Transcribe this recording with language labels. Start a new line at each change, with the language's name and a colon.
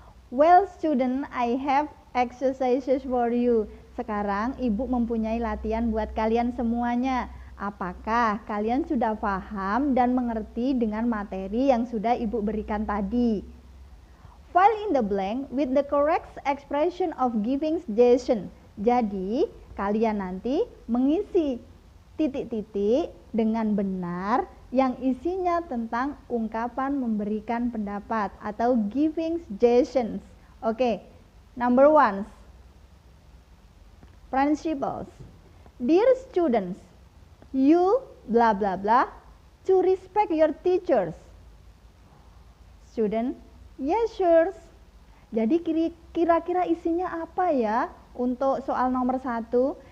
English: Well, student, I have exercises for you.
Indonesian: Sekarang, ibu mempunyai latihan buat kalian semuanya. Apakah kalian sudah paham dan mengerti dengan materi yang sudah ibu berikan tadi?
English: Fill in the blank with the correct expression of giving suggestion.
Indonesian: Jadi, kalian nanti mengisi titik-titik dengan benar yang isinya tentang ungkapan memberikan pendapat atau
English: giving suggestions. Oke, number one, principles. Dear students, you blah blah blah to respect your teachers. Student, yes sure.
Indonesian: Jadi kira-kira isinya apa ya untuk soal nomor satu?